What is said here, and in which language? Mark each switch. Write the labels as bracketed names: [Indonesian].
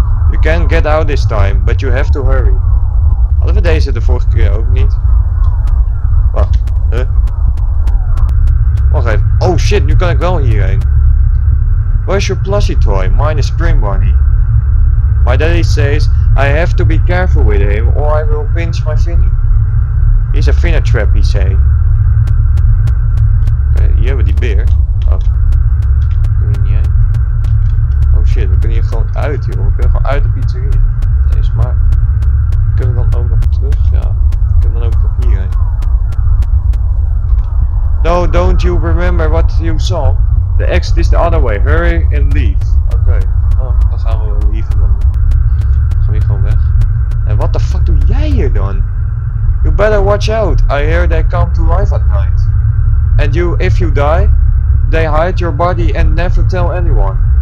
[English] You can get out this time, but you have to hurry. [Dutch] Hadden we deze de vorige keer ook niet? Wacht, huh? Wacht even. Oh shit, nu kan ik wel hierheen. [English] Where's your plushie toy? Mine is Spring Bunny. My daddy says I have to be careful with him or I will pinch my finny. He's a finna trap, he say. [Dutch] Oké, hier hebben we die beer. Oh. Kunnen we niet uit? Oh shit, we kunnen hier gewoon uit, joh. We kunnen gewoon uit de pizzeria. Deze maar. Kunnen we dan ook nog terug? Ja. Kunnen we dan ook nog hierheen? [English] No, don't you remember what you saw? The exit is the other way. Hurry and leave. [Dutch] Oké. Oh, dan gaan we wel leave dan. Dan gaan we gewoon weg. En [English] what the fuck [Dutch] doe jij hier dan? [English] You better watch out. I hear they come to life at night. And you, if you die, they hide your body and never tell anyone.